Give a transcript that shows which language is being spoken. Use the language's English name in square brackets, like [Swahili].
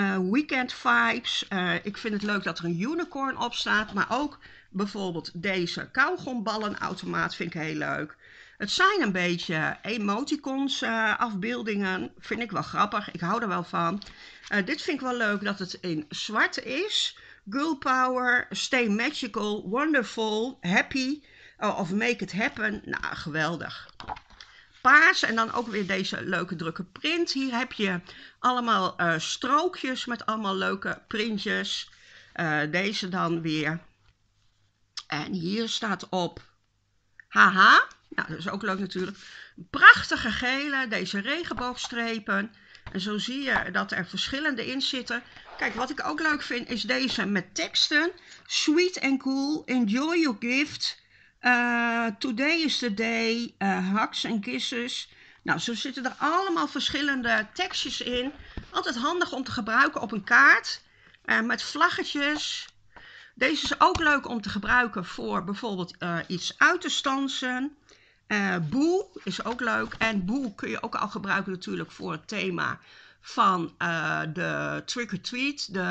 [Dutch] Weekend vibes. Ik vind het leuk dat er een unicorn op staat. Maar ook bijvoorbeeld deze kauwgomballenautomaat vind ik heel leuk. Het zijn een beetje emoticons afbeeldingen. Vind ik wel grappig. Ik hou er wel van. Dit vind ik wel leuk dat het in zwart is. [English] Girl power, stay magical, wonderful, happy of make it happen. [Dutch] Nou, geweldig. Paars en dan ook weer deze leuke drukke print. Hier heb je allemaal strookjes met allemaal leuke printjes. Deze dan weer. En hier staat op. Haha. Nou, dat is ook leuk natuurlijk. Prachtige gele, deze regenboogstrepen. En zo zie je dat er verschillende in zitten. Kijk, wat ik ook leuk vind is deze met teksten. [English] Sweet and cool, enjoy your gift. Today is the day, hugs and kisses. [Dutch] Nou, zo zitten er allemaal verschillende tekstjes in. Altijd handig om te gebruiken op een kaart. Met vlaggetjes. Deze is ook leuk om te gebruiken voor bijvoorbeeld iets uit te stansen. Boe is ook leuk. En boe kun je ook al gebruiken natuurlijk voor het thema van de trick or treat.